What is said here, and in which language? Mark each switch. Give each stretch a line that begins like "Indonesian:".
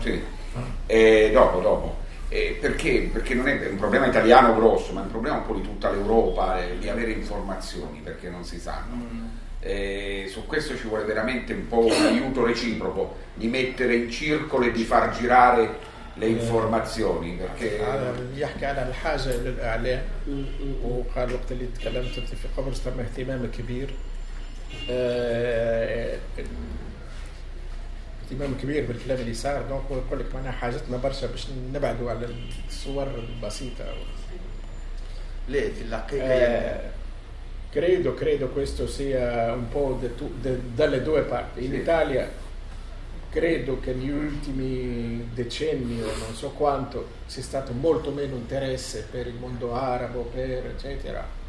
Italian: Sì. Dopo. Perché? Perché non è un problema italiano grosso, ma è un problema un po' di tutta l'Europa di avere informazioni, perché non si sanno. Su questo ci vuole veramente un po' un aiuto reciproco, di mettere in circolo e di far girare le informazioni perché
Arabic: يحكي على الحاجة للإعلام وقال الوقت اللي تكلمت أنت في قبرص تم اهتمام كبير اهتمام كبير بالكلام اللي صار دونك يقول لك معناها حاجتنا برشا باش نبعدوا على الصور البسيطة ليه في الحقيقة
Italian: credo questo sia un po' dalle due parti in Italia credo che negli ultimi decenni, o non so quanto, sia stato molto meno interesse per il mondo arabo, per eccetera.